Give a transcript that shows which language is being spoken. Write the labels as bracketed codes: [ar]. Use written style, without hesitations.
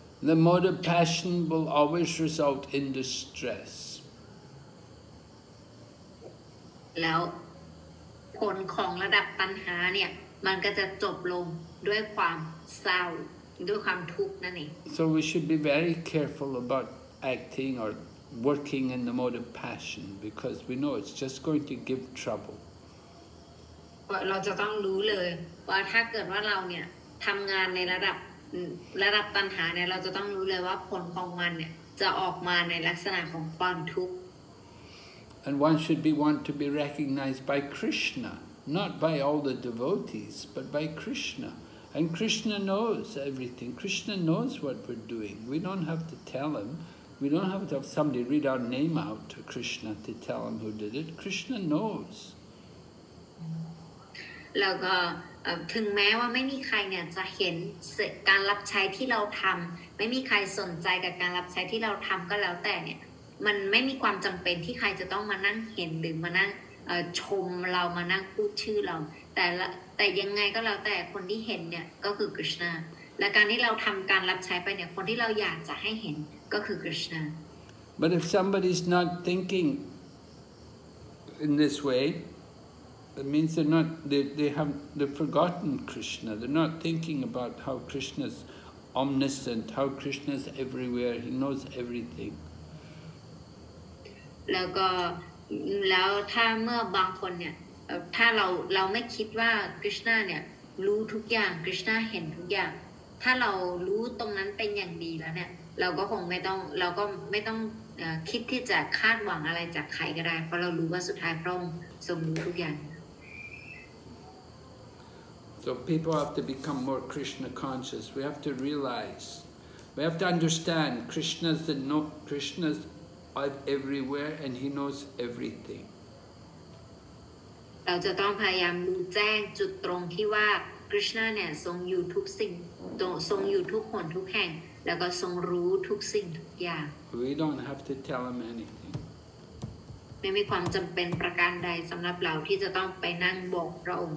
[en] The mode of passion will always result in distress [th] แล้วผลของระดับปัญหาเนี่ยมันก็จะจบลงด้วยความเศร้าด้วยความทุกข์นั่นเอง [en] So we should be very careful about acting or working in the mode of passion because we know it's just going to give trouble [th] เราจะต้องรู้เลยว่าถ้าเกิดว่าเราเนี่ยทำงานในระดับปัญหาเนี่ยเราจะต้องรู้เลยว่าผลของมันเนี่ยจะออกมาในลักษณะของความทุกข์ [en] And one should be want to be recognized by Krishna, not by all the devotees, but by Krishna. And Krishna knows everything. Krishna knows what we're doing. We don't have to tell him. We don't have to have somebody read our name out to Krishna to tell him who did it. Krishna knows. [th] แล้วก็ถึงแม้ว่าไม่มีใครเนี่ยจะเห็นการรับใช้ที่เราทำไม่มีใครสนใจกับการรับใช้ที่เราทำก็แล้วแต่เนี่ยมันไม่มีความจำเป็นที่ใครจะต้องมานั่งเห็นหรือมานั่งชมเรามานั่งพูดชื่อเราแต่ยังไงก็แล้วแต่คนที่เห็นเนี่ยก็คือคริสนาและการที่เราทำการรับใช้ไปเนี่ยคนที่เราอยากจะให้เห็นก็คือคริสนา [en] But if somebody's not thinking in this way, it means they've forgotten Krishna. They're not thinking about how Krishna's omniscient, how Krishna's everywhere. He knows everything. [th] แล้วถ้าเมื่อบางคนเนี่ยถ้าเราไม่คิดว่ากริชนาเนี่ยรู้ทุกอย่างกริชนาเห็นทุกอย่างถ้าเรารู้ตรงนั้นเป็นอย่างดีแล้วเนี่ยเราก็ไม่ต้องคิดที่จะคาดหวังอะไรจากใครก็ได้เพราะเรารู้ว่าสุดท้ายพระองค์ทรงรู้ทุกอย่าง [en] So people have to become more Krishna conscious. We have to realize. We have to understand Krishna's the no Krishna'sEverywhere, and he knows everything. [th] เราจะต้องพยายามรู้แจ้งจุดตรงที่ว่าคริชนาเนี่ยทรงอยู่ทุกสิ่งทรงอยู่ทุกคนทุกแห่งแล้วก็ทรงรู้ทุกสิ่งทุกอย่าง [en] We don't have to tell him anything. [th] ไม่มีความจำเป็นประการใดสำหรับเราที่จะต้องไปนั่งบอกพระองค